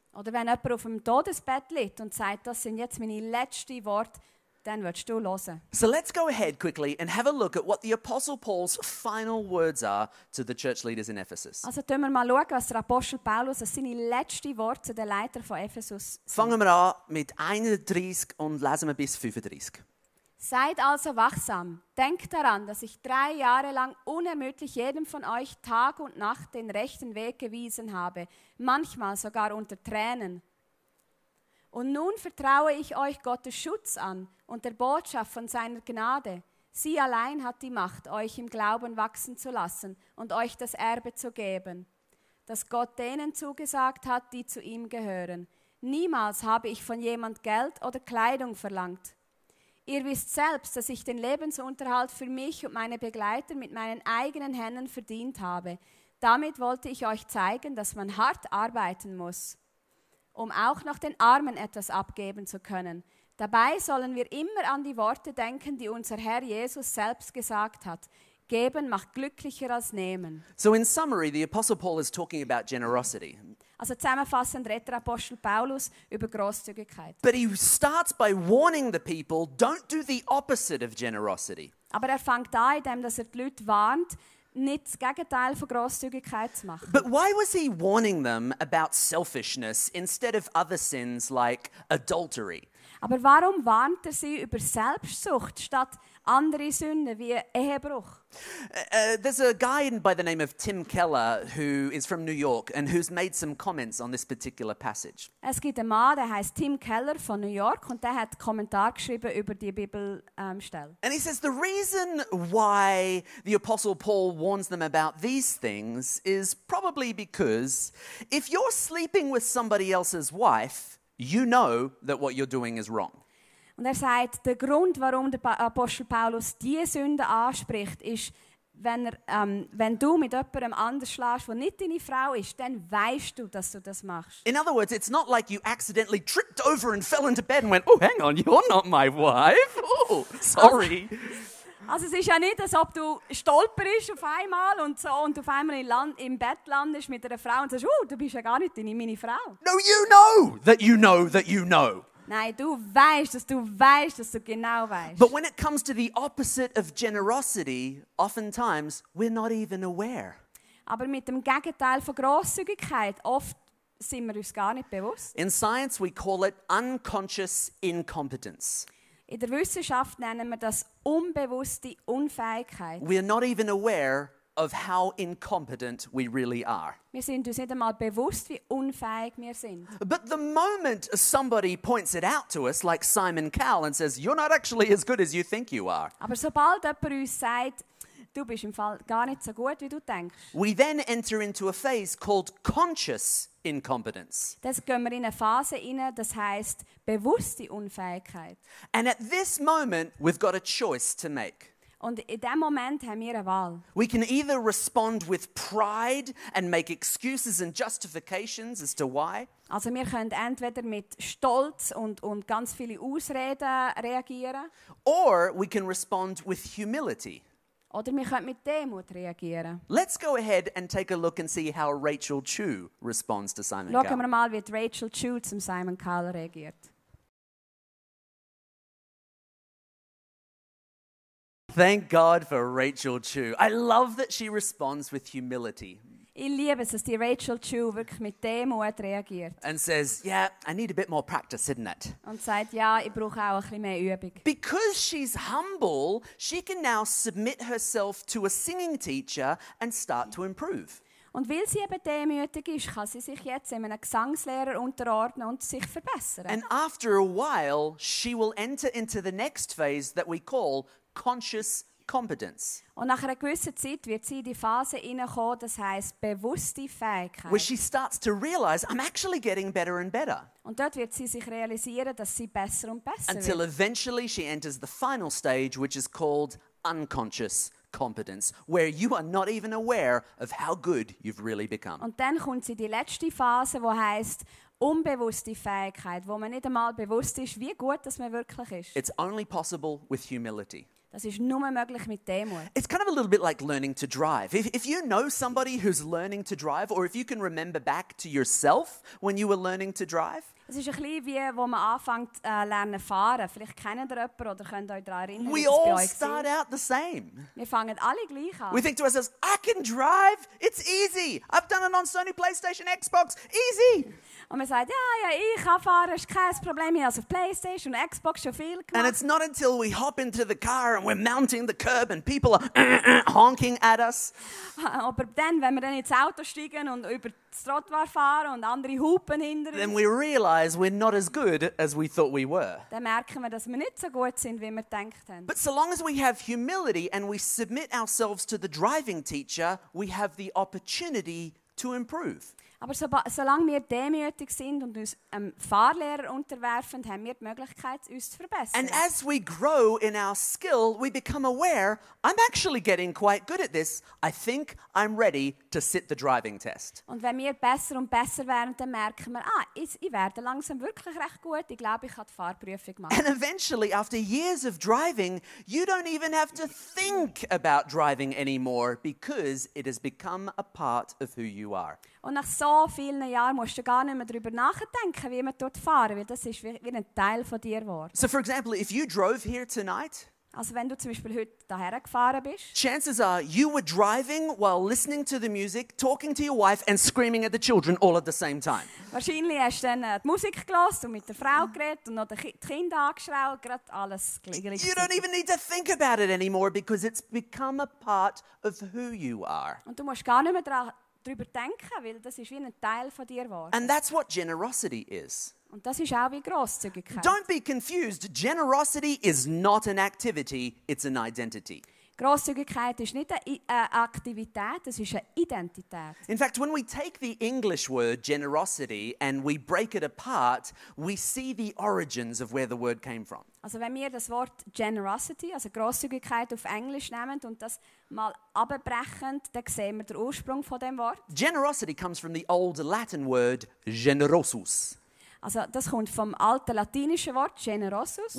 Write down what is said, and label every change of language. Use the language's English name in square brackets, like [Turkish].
[German] Oder wenn jemand auf dem Todesbett liegt und sagt, das sind jetzt meine letzten Worte, dann willst du hören. [English] So let's go ahead quickly and have a look at what the Apostle Paul's final words are to the church leaders in Ephesus. [German] Also schauen wir mal, was der Apostel Paulus als seine letzten Worte zu den Leitern von Ephesus sind. Fangen wir an mit 31 und lesen wir bis 35. Seid also wachsam. Denkt daran, dass ich 3 Jahre lang unermüdlich jedem von euch Tag und Nacht den rechten Weg gewiesen habe, manchmal sogar unter Tränen. Und nun vertraue ich euch Gottes Schutz an und der Botschaft von seiner Gnade. Sie allein hat die Macht, euch im Glauben wachsen zu lassen und euch das Erbe zu geben, das Gott denen zugesagt hat, die zu ihm gehören. Niemals habe ich von jemand Geld oder Kleidung verlangt. Ihr wisst selbst, dass ich den Lebensunterhalt für mich und meine Begleiter mit meinen eigenen Händen verdient habe. Damit wollte ich euch zeigen, dass man hart arbeiten muss, um auch noch den Armen etwas abgeben zu können. Dabei sollen wir immer an die Worte denken, die unser Herr Jesus selbst gesagt hat. Geben macht glücklicher als nehmen. [English] So in summary, the Apostle Paul is talking about generosity. [German] Also zusammenfassend redet der Apostel Paulus über Grosszügigkeit. [English] But he starts by warning the people, don't do the opposite of generosity. [German] Aber er fängt an, indem er die Leute warnt, nicht das Gegenteil von Grosszügigkeit zu machen. [English] But why was he warning them about selfishness instead of other sins like adultery? [German] Aber warum warnt er sie über Selbstsucht statt andere Sünden wie Ehebruch? [English] There's a guy by the name of Tim Keller who is from New York and who's made some comments on this particular passage. [German] Es gibt einen Mann, der heißt Tim Keller von New York und der hat Kommentar geschrieben über die Bibelstelle. [English] And he says the reason why the Apostle Paul warns them about these things is probably because if you're sleeping with somebody else's wife, you know that what you're doing is wrong. [German] Und er sagt, der Grund, warum der Apostel Paulus diese Sünde anspricht, ist, wenn, wenn du mit jemandem anders schläfst, der nicht deine Frau ist, dann weißt du, dass du das machst. [English] In other words, it's not like you accidentally tripped over and fell into bed and went, oh, hang on, you're not my wife. Oh, sorry. [German] Also es ist ja nicht, als ob du stolperst auf einmal und so und auf einmal in Land, im Bett landest mit einer Frau und sagst, oh, du bist ja gar nicht deine, meine Frau. [English] No, you know that you know that you know. [German] Nein, du weißt, dass du weißt, dass du genau weißt. [English] But when it comes to the opposite of generosity, oftentimes we're not even aware. [German] Aber mit dem Gegenteil von Grosszügigkeit, oft sind wir uns gar nicht bewusst. [English] In science we call it unconscious incompetence. [German] In der Wissenschaft nennen wir das unbewusste Unfähigkeit. [English] We are not even aware of how incompetent we really are. [German] Wir sind uns nicht einmal bewusst, wie unfähig wir sind. [English] But the moment somebody points it out to us, like Simon Cowell, and says, you're not actually as good as you think you are. [German] Aber sobald jemand uns sagt, du bist im Fall gar nicht so gut, wie du denkst. [English] We then enter into a phase called conscious incompetence. [German] Das gehen wir in eine Phase rein, das heisst bewusste Unfähigkeit. [English] And at this moment, we've got a choice to make. [German] Und in dem Moment haben wir eine Wahl. [English] We can either respond with pride and make excuses and justifications as to why. [German] Also wir können entweder mit Stolz und ganz viele Ausreden reagieren. [English] Or we can respond with humility. [German] Oder wir können mit Demut reagieren. [English] Let's go ahead and take a look and see how Rachel Chu responds to Simon Cowell. [German] Schauen wir mal, wie Rachel Chu zum Simon Cowell reagiert. [English] Thank God for Rachel Chu. I love that she responds with humility. [German] Ich liebe es, dass die Rachel Chu wirklich mit Demut reagiert. [English] And says, yeah, I need a bit more practice, isn't it? [German] Und sagt, ja, ich brauche auch ein bisschen mehr Übung. [English] Because she's humble, she can now submit herself to a singing teacher and start to improve. [German] Und weil sie eben demütig ist, kann sie sich jetzt einem Gesangslehrer unterordnen und sich verbessern. [English] And after a while, she will enter into the next phase that we call conscious competence. [German] Und nach einer gewissen Zeit wird sie in die Phase hineinkommen, das heisst bewusste Fähigkeit. [English] Where she starts to realize, I'm actually getting better and better. [German] Und dort wird sie sich realisieren, dass sie besser und besser wird. [English] Until eventually she enters the final stage, which is called unconscious competence, where you are not even aware of how good you've really become. [German] Und dann kommt sie in die letzte Phase, die heisst unbewusste Fähigkeit, wo man nicht einmal bewusst ist, wie gut das man wirklich ist. [English] It's only possible with humility. [German] Das ist nur möglich mit Demut. [English] It's kind of a little bit like learning to drive. If you know somebody who's learning to drive, or if you can remember back to yourself when you were learning to drive. [German] Es ist ein bisschen wie, wo man anfängt lernen fahren. Vielleicht kennt ihr jemanden oder könnt euch daran erinnern. [English] We all start out the same. [German] Wir fangen alle gleich an. [English] We think to ourselves, I can drive, it's easy. I've done it on Sony PlayStation Xbox, easy. [German] Und man sagt, ja, ich kann fahren, ist kein Problem, ich habe auf PlayStation und Xbox schon viel gemacht. [English] And it's not until we hop into the car and we're mounting the curb and people are honking at us. [German] Aber dann, wenn wir dann ins Auto steigen und über das Trottoir fahren und andere hupen hinter uns. [English] Then we realize we're not as good as we thought we were. [German] Dann merken wir, dass wir nicht so gut sind, wie wir gedacht haben. [English] But so long as we have humility and we submit ourselves to the driving teacher, we have the opportunity to improve. [German] Aber solange wir demütig sind und uns einem Fahrlehrer unterwerfen, haben wir die Möglichkeit, uns zu verbessern. [English] And as we grow in our skill, we become aware, I'm actually getting quite good at this. I think I'm ready to sit the driving test. [German] Und wenn wir besser und besser werden, dann merken wir, ich werde langsam wirklich recht gut. Ich glaube, ich kann die Fahrprüfung machen. [English] And eventually, after years of driving, you don't even have to think about driving anymore because it has become a part of who you are. [German] Und nach so vielen Jahren musst du gar nicht mehr darüber nachdenken, wie man dort fahren, weil das ist wie ein Teil von dir geworden. [English] So for example, if you drove here tonight, [German] Also wenn du zum Beispiel heute daher gefahren bist. [English] Chances are you were driving while listening to the music, talking to your wife and screaming at the children all at the same time. [German] Wahrscheinlich hast du dann die Musik gehört und mit der Frau geredet und noch die Kinder angeschrien, gerade alles gleichzeitig. [English] You don't even need to think about it anymore because it's become a part of who you are. [German] Und du musst gar nicht mehr darüber denken, weil das ist wie ein Teil von dir geworden. [English] And that's what generosity is. [German] Und das ist auch wie Grosszügigkeit. [English] Don't be confused. Generosity is not an activity, it's an identity. [German] Grosszügigkeit ist nicht eine Aktivität, es ist eine Identität. [English] In fact, when we take the English word generosity and we break it apart, we see the origins of where the word came from. [German] Also wenn wir das Wort generosity, also Grosszügigkeit auf Englisch nehmen und das mal abbrechen, dann sehen wir den Ursprung von dem Wort. [English] Generosity comes from the old Latin word generosus. [German] Also das kommt vom alten latinischen Wort generosus,